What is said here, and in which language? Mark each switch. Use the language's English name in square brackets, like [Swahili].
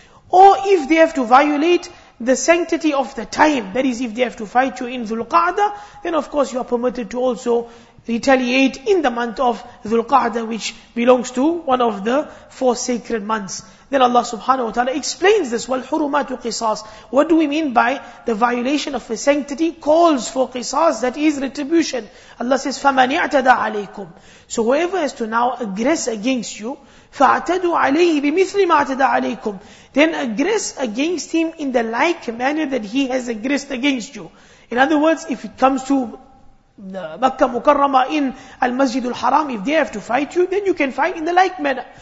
[English] Or if they have to violate the sanctity of the time, that is if they have to fight you in Dhul-Qa'dah, then of course you are permitted to also retaliate in the month of Dhul-Qa'dah, which belongs to one of the four sacred months. Then Allah subhanahu wa ta'ala explains this, وَالْحُرُمَاتُ قِصَاصٍ. What do we mean by the violation of a sanctity calls for qisas, that is retribution? [Arabic] Allah says, فَمَنِ اَعْتَدَى عَلَيْكُمْ. [English] So whoever has to now aggress against you, فَاَعْتَدُوا عَلَيْهِ بِمِثْلِ مَا اَعْتَدَى عَلَيْكُمْ, then aggress against him in the like manner that he has aggressed against you. In other words, if it comes to Makkah Mukarrama in Al-Masjid Al-Haram, if they have to fight you, then you can fight in the like manner.